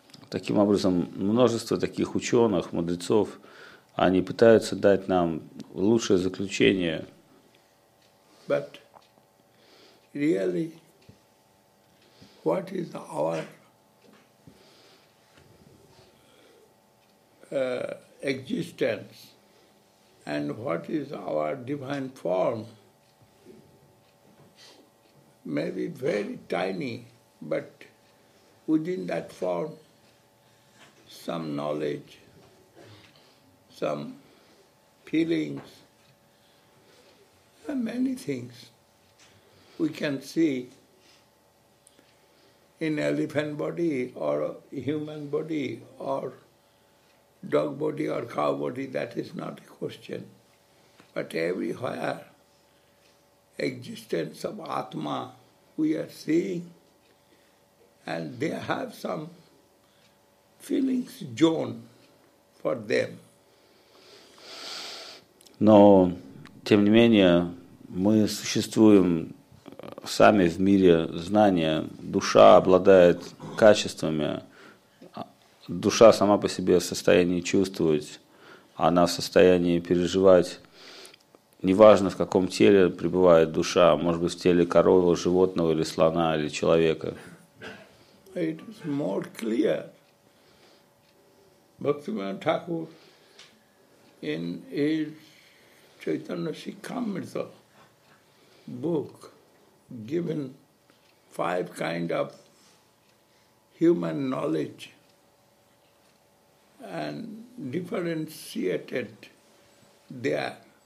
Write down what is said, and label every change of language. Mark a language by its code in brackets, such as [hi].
[ru] Таким образом, множество таких ученых, мудрецов, они пытаются дать нам лучшее заключение. [en] But really, what is our existence and what is our divine form? Maybe very tiny, but within that form, some knowledge, some feelings, and many things we can see in elephant body or human body or dog body or cow body, that is not a question. But everywhere, existence of Atma we are seeing, and they have some feelings zone for them. [ru] Но, тем не менее, мы существуем сами в мире знания. Душа обладает качествами. Душа сама по себе в состоянии чувствовать. Она в состоянии переживать. Неважно, в каком теле пребывает душа. Может быть, в теле коровы, животного, или слона, или человека. [en] It is more clear. Bhaktivinoda Thakur in his Chaitanya Shikamrita book given five kind of human knowledge and differentiated there.